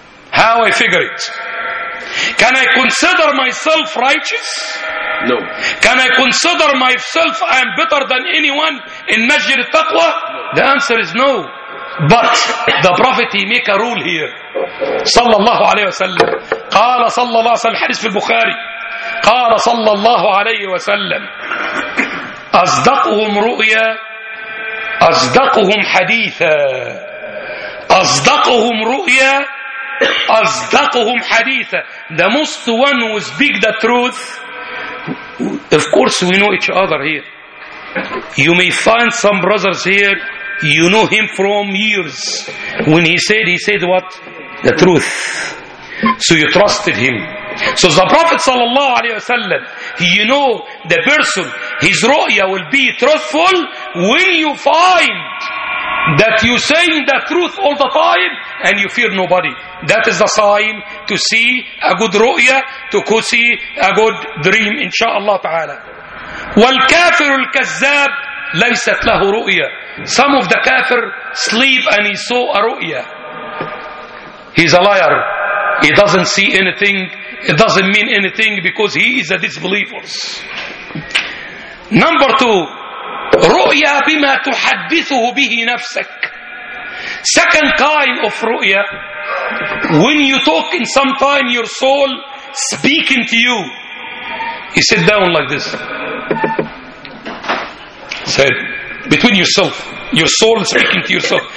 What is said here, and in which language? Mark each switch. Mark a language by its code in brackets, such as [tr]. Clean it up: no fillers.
[en] How I figure it? Can I consider myself righteous? No. Can I consider myself I am better than anyone in Majr al-Taqwa? No. The answer is no. But the Prophet, he make a rule here. [ar] Sallallahu alayhi wa sallam. Qala sallallahu alayhi wa sallam. Hadith fil Bukhari. قال صلى الله عليه وسلم أصدقهم رؤيا أصدقهم حديثا أصدقهم رؤيا أصدقهم حديثا. [en] The most one who speak the truth, of course we know each other here. You may find some brothers here, you know him from years. When he said what? The truth. So you trusted him. So the Prophet sallallahu alayhi wa sallam, you know the person, his ru'ya will be truthful when you find that you saying the truth all the time and you fear nobody. That is the sign to see a good ru'ya, to see a good dream, inshaAllah ta'ala. [ar] والكافر الكذاب ليست له رؤيا. [en] Some of the kafir sleep and he saw a ru'ya. He's a liar. He doesn't see anything. It doesn't mean anything because he is a disbeliever. Number two, [ar] رؤيا بما تحدثه به نفسك. [en] Second kind of ru'ya, when you talk in some time, your soul speaking to you. You sit down like this. Said, between yourself, your soul speaking to yourself.